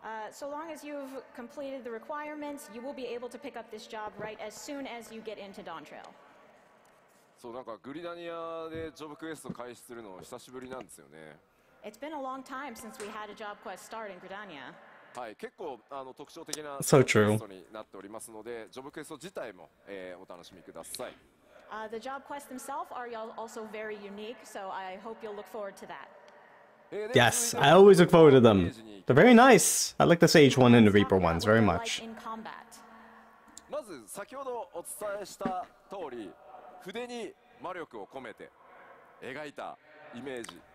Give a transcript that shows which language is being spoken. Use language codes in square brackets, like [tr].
[en] So long as you've completed the requirements, you will be able to pick up this job right as soon as you get into Dawn Trail. [ja] So, なんかグリダニアでジョブクエスト開始するの久しぶりなんですよね。 [en] It's been a long time since we had a job quest start in Gridania. [ja] はい、結構あの特徴的なジョブクエストになっておりますので、ジョブクエスト自体も、お楽しみください。 [en] The job quests themselves are also very unique, so I hope you'll look forward to that. Yes, I always look forward to them. They're very nice. I like the Sage one and the Reaper ones very much. [ja] まず先ほどお伝えした通り、筆に魔力を込めて描いたイメージ。